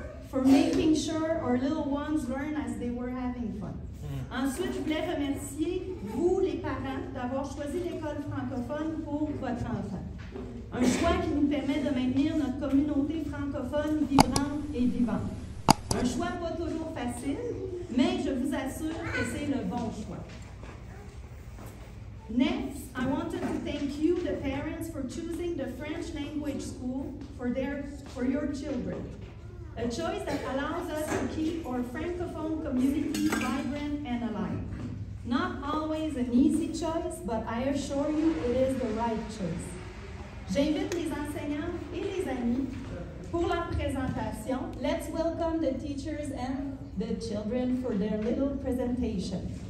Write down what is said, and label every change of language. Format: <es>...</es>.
<en>For making sure our little ones learn as they were having fun. Mm.</en> <fr>Ensuite, je voulais remercier vous, les parents, d'avoir choisi l'école francophone pour votre enfant. Un choix qui nous permet de maintenir notre communauté francophone vibrante et vivante. Un choix pas toujours facile, mais je vous assure que c'est le bon choix.</fr> <en>Next, I wanted to thank you, the parents, for choosing the French language school for your children. A choice that allows us to keep our Francophone community vibrant and alive. Not always an easy choice, but I assure you it is the right choice.</en> <fr>J'invite les enseignants et les amis pour la présentation.</fr> <en>Let's welcome the teachers and the children for their little presentation.</en>